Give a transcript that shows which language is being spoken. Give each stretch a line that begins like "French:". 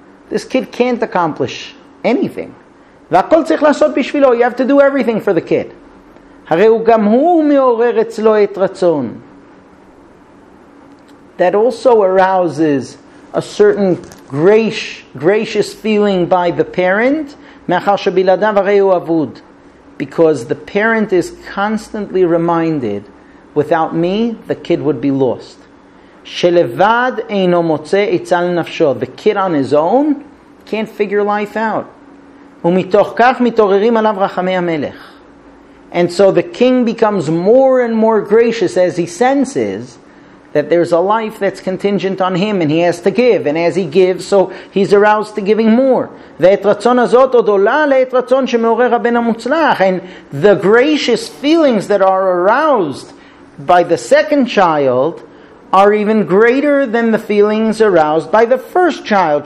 English: This kid can't accomplish anything.
Hebrew: והכל צריך לעשות בשבילו.
English: You have to do everything for the kid.
Hebrew: הרי הוא גם הוא מעורר אצלו את רצון.
English: That also arouses a certain gracious feeling by the parent,
Hebrew: מאחר שבלעדיו הרי הוא אבוד.
English: Because the parent is constantly reminded, without me, the kid would be lost.
Hebrew: שלבד אינו מוצא עצה לנפשו.
English: The kid on his own can't figure life out.
Hebrew: ומתוך כך מתעוררים עליו רחמי המלך.
English: And so the king becomes more and more gracious as he senses that there's a life that's contingent on him and he has to give. And as he gives, so he's aroused to giving more.
Hebrew: ואת רצון הזאת עוד עולה לעת רצון שמעורר הבן המוצלח.
English: And the gracious feelings that are aroused by the second child are even greater than the feelings aroused by the first child.